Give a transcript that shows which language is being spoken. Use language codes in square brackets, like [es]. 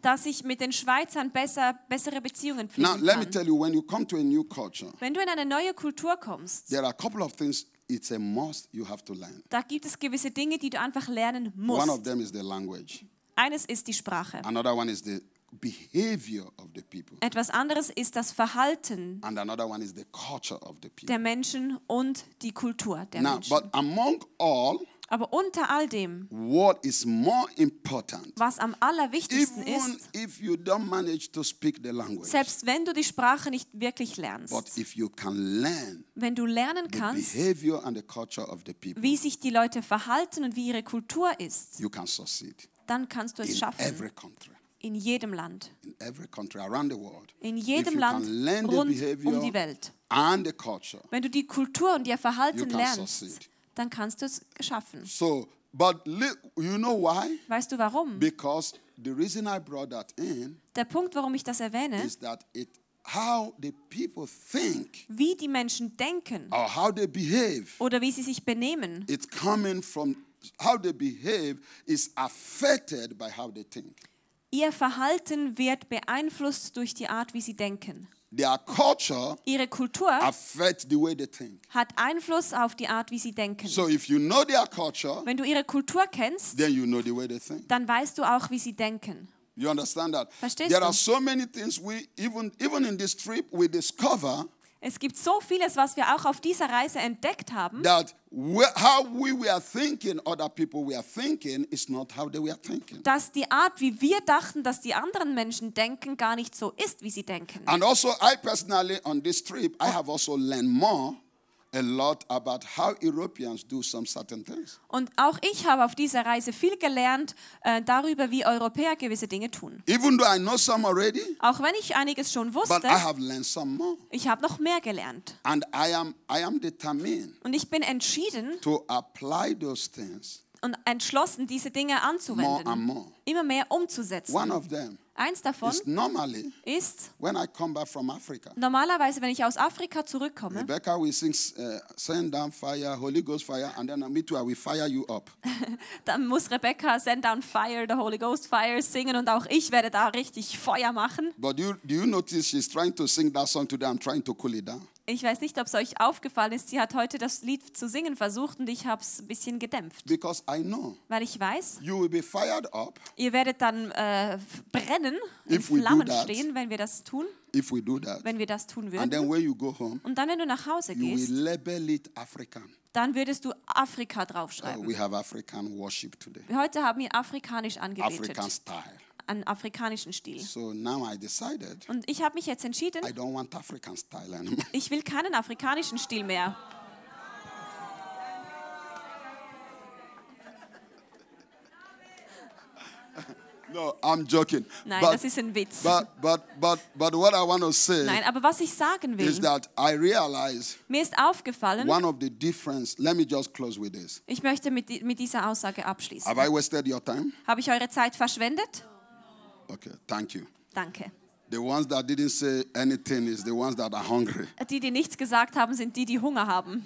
[de] Dass ich mit den Schweizern bessere Beziehungen pflegen kann. [en] Now, let me tell you, when you come to a new culture, [de] wenn du in eine neue Kultur kommst, [en] there are couple of things it's a must you have to learn. [de] Da gibt es gewisse Dinge, die du einfach lernen musst. [en] One of them is the language. [de] Eines ist die Sprache. [en] Another one is the behavior of the people. [de] Etwas anderes ist das Verhalten. [en] And another one is the culture of the people. [de] Der Menschen und die Kultur der [en] Now, [de] Menschen. [en] But among all, [de] aber unter all dem, [en] what is more important, [de] was am allerwichtigsten [en] even [de] ist, [en] if you don't manage to speak the language, [de] selbst wenn du die Sprache nicht wirklich lernst, [en] but if you can learn, [de] wenn du lernen kannst, [en] the behavior and the culture of the people, [de] wie sich die Leute verhalten und wie ihre Kultur ist, [en] you can succeed, [de] dann kannst du es [en] in [de] schaffen [en] every country. [de] in jedem Land. [en] In every country around the world. [de] In jedem Land rund um die Welt. [en] And the culture, [de] wenn du die Kultur und ihr Verhalten lernst, dann kannst du es schaffen. [en] So, but you know why? [de] Weißt du warum? [en] Because the reason I brought that in, [de] der Punkt, warum ich das erwähne, [en] is that it, how the people think, [de] wie die Menschen denken, [en] or how they behave, [de] oder wie sie sich benehmen, [en] it's coming from how they behave is affected by how they think. [de] Ihr Verhalten wird beeinflusst durch die Art, wie sie denken. [en] Their culture, [de] ihre Kultur, [en] affect the way they think, [de] hat Einfluss auf die Art, wie sie denken. [en] So if you know their culture, [de] wenn du ihre Kultur kennst, [en] then you know the way they think, [de] dann weißt du auch, wie sie denken. [en] You understand that? [de] Verstehst [en] there [de] du? [en] Are so many things we even in this trip we discover. [de] Es gibt so vieles, was wir auch auf dieser Reise entdeckt haben. [en] That how we were thinking, other people were thinking, is not how they were thinking. [de] Dass die Art, wie wir dachten, dass die anderen Menschen denken, gar nicht so ist, wie sie denken. [en] And also, I personally on this trip, I have also learned more, a lot about how Europeans do some certain things. [de] Und auch ich habe auf dieser Reise viel gelernt darüber, wie Europäer gewisse Dinge tun. [en] Even though I know some already, [de] auch wenn ich einiges schon wusste, [en] but I have learned some more. [de] Ich habe noch mehr gelernt. [en] And I am determined. [de] Und ich bin entschieden, [en] to apply those things. [de] Und entschlossen, diese Dinge anzuwenden. [en] More and more. [de] Immer mehr umzusetzen. [en] One of them. [de] Eins davon [en] is normally, [de] ist, [en] when I come back from Africa, [de] normalerweise, wenn ich aus Afrika zurückkomme, [en] Rebecca, we sing, send down fire, Holy Ghost fire, and then me too, I will fire you up. [de] Dann muss Rebecca [en] send down fire, the Holy Ghost fire [de] singen und auch ich werde da richtig Feuer machen. [en] But do you notice she's trying to sing that song today, I'm trying to cool it down. [de] Ich weiß nicht, ob es euch aufgefallen ist, sie hat heute das Lied zu singen versucht und ich habe es ein bisschen gedämpft. [en] Because I know, [de] weil ich weiß, [en] you will be fired up, [de] ihr werdet dann brennen, in Flammen stehen, wenn wir das tun. [en] If we do that, [de] wenn wir das tun würden. [en] And then when you go home, [de] und dann, wenn du nach Hause gehst, [en] you will label it African. [de] Dann würdest du Afrika draufschreiben. [en] We have African worship today. [de] Heute haben wir afrikanisch angebetet. [en] African style. [de] An afrikanischen Stil. [en] So now I decided, [de] und ich habe mich jetzt entschieden, [en] I don't want African style anymore. [de] Ich will keinen afrikanischen Stil mehr. [en] No, I'm joking. [de] Nein, [en] but, [de] das ist ein Witz. [en] But what I want to say, [de] nein, aber was ich sagen will, [en] is that I realize, [de] mir ist aufgefallen, [en] one of the difference, let me just close with this. [de] Ich möchte mit dieser Aussage abschließen. [en] Have I wasted your time? [de] Habe ich eure Zeit verschwendet? [en] Okay, thank you. [de] Danke. [en] The ones that didn't say anything is the ones that are hungry. [de] Die, die nichts gesagt haben, sind die, die Hunger haben.